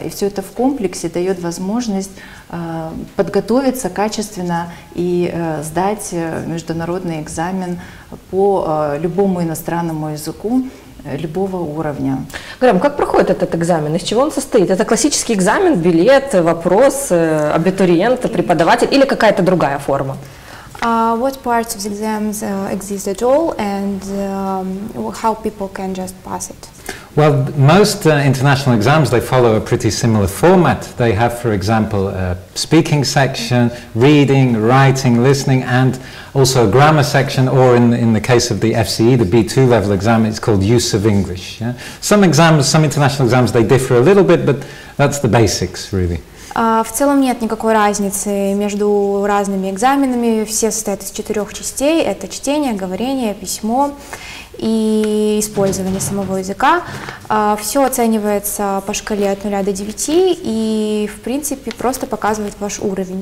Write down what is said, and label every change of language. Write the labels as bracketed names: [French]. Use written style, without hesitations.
[Russian] И все это в комплексе дает возможность подготовиться качественно и сдать международный экзамен по любому иностранному языку любого уровня. Грэм, как проходит этот экзамен? Из чего он состоит? Это классический экзамен, билет, вопрос, абитуриент, преподаватель или какая-то другая форма? [English] What parts of the exams exist at all, and how people can just pass it? Well, most international exams, they follow a pretty similar format. They have, for example, a speaking section, reading, writing, listening, and also a grammar section, or in the case of the FCE, the B2 level exam, it's called use of English. Yeah? Some international exams, they differ a little bit, but that's the basics, really. [Russian] В целом нет никакой разницы между разными экзаменами. Все состоят из четырех частей. Это чтение, говорение, письмо и использование самого языка. Все оценивается по шкале от 0 до 9 и, в принципе, просто показывает ваш уровень.